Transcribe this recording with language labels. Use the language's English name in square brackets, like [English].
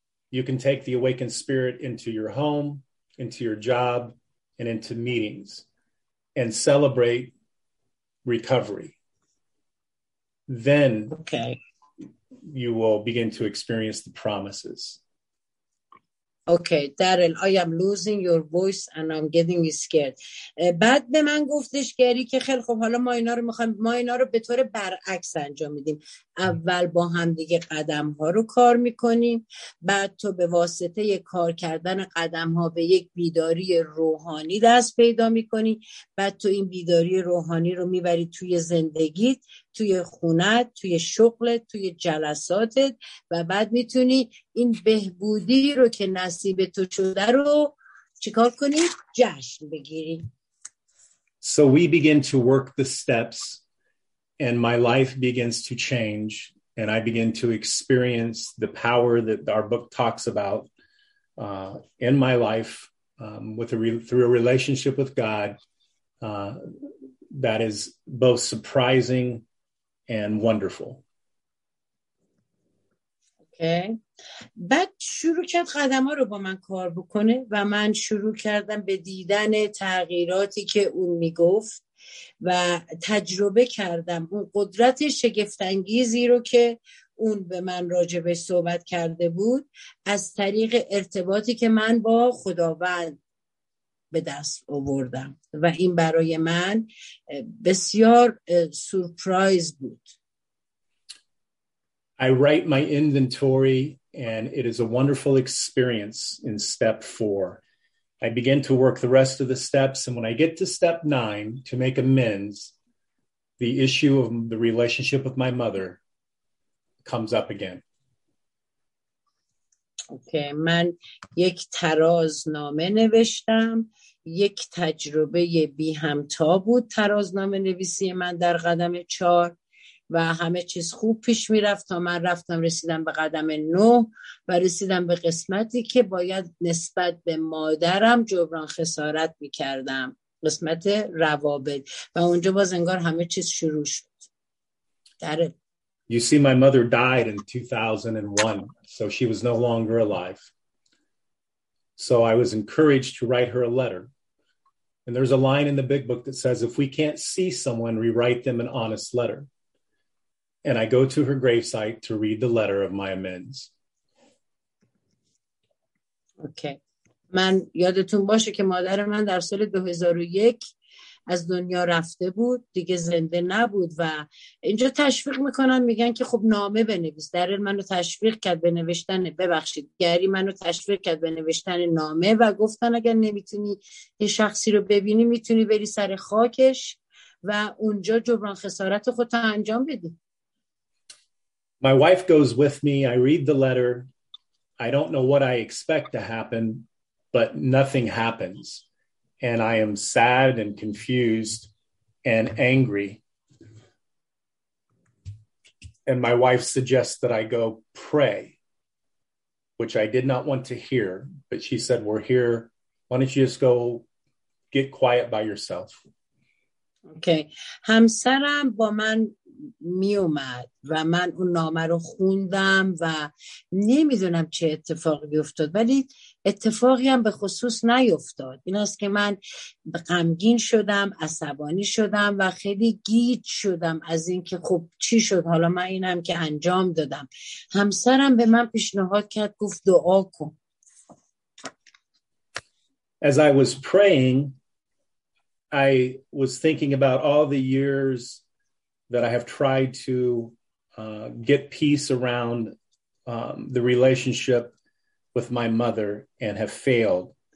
[English] You can take the awakened spirit into your home, into your job, and into meetings, and celebrate recovery. Then okay. You will begin to experience the promises. Okay, Daryl, I am losing your voice and I'm getting scared. [Persian] بعد به من گفتش گری که خیلی خوب، حالا ما اینا رو میخوایم، ما اینا رو به طور برعکس انجام میدیم. اول با هم دیگه قدم ها رو کار میکنیم، بعد تو به واسطه کار کردن قدم ها به یک بیداری روحانی دست پیدا میکنی، بعد تو این بیداری روحانی رو میبری توی زندگیت، توی خونت، توی شغلت، توی جلساتت، و بعد میتونی این بهبودی رو که نصیب تو شده رو چیکار کنی؟ جشن بگیری. [English] So we begin to work the steps and my life begins to change and I begin to experience the power that our book talks about in my life through a relationship with God that is both surprising and wonderful. Okay. [Persian] بعد شروع کرد قدم ها رو با من کار بکنه و من شروع کردم به دیدن تغییراتی که اون میگفت و تجربه کردم اون قدرت شگفت‌انگیزی رو که اون به من راجبش صحبت کرده بود از طریق ارتباطی که من با خداوند به دست آوردم، و این برای من بسیار سورپرایز بود. [English] I write my inventory and it is a wonderful experience in step 4. I begin to work the rest of the steps and when I get to step 9 to make amends, the issue of the relationship with my mother comes up again. [Persian] Okay, من یک ترازنامه نوشتم. یک تجربه بی همتا بود ترازنامه نویسی من در قدم 4، و همه چیز خوب پیش می رفت تا من رفتم رسیدم به قدم 9 و رسیدم به قسمتی که باید نسبت به مادرم جبران خسارت می کردم، قسمت روابط، و اونجا باز انگار همه چیز شروع شد. داره. [English] You see my mother died in 2001 so she was no longer alive. So I was encouraged to write her a letter. And there's a line in the big book that says, if we can't see someone, rewrite them an honest letter. And I go to her gravesite to read the letter of my amends. Okay. [Persian] من یادتون باشه که مادر من در سال 2001 از دنیا رفته بود، دیگه زنده نبود، و اینجا تشویق میکنن، میگن که خب نامه بنویس. درل منو تشویق کرد به نوشتن، ببخشید، گری منو تشویق کرد به نوشتن نامه، و گفتن اگر نمیتونی یه شخصی رو ببینی میتونی بری سر خاکش و اونجا جبران خسارت خودت انجام بدی. [English] My wife goes with me. I read the letter. I don't know what I expect to happen, but nothing happens. And I am sad and confused and angry. And my wife suggests that I go pray, which I did not want to hear. But she said, we're here Why don't you just go get quiet by yourself? Okay. [Persian] همسرم با من می اومد و من اون نامه رو خوندم و نمیدونم چه اتفاقی افتاد، ولی اتفاقی هم به خصوص نیفتاد. این است که من غمگین شدم، عصبانی شدم و خیلی گیج شدم از اینکه خب چی شد، حالا من اینم که انجام دادم. همسرم به من پیشنهاد کرد، گفت دعا کن. [English] As I was praying, I was thinking about all the years that I have tried to get peace around the relationship with my mother and have failed.